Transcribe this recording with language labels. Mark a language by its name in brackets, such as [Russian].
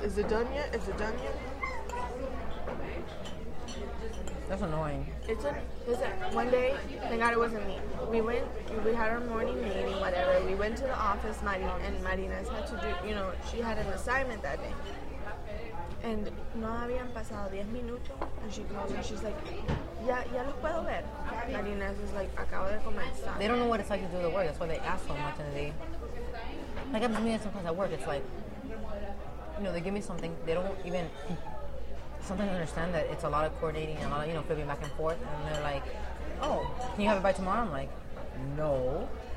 [English] Is it done yet? Is it done yet? That's annoying. One day, thank God it wasn't me. We had our morning meeting, whatever. We went to the office, and Marina's had to do, you know, she had an assignment that day. And [Spanish] no habían pasado 10 minutos, [English] and she calls and she's like, [Spanish] ya lo puedo ver. [English] Marina's is like, [Spanish] acabo de comenzar. [English] They don't know what it's like to do the work. That's why they ask so much, and they, like, I mean, sometimes at work, it's like, you know, they give me something, they don't even... Sometimes I understand that it's a lot of coordinating and a lot of, you know, flipping back and forth. And they're like, oh, can you have it by tomorrow? I'm like, no.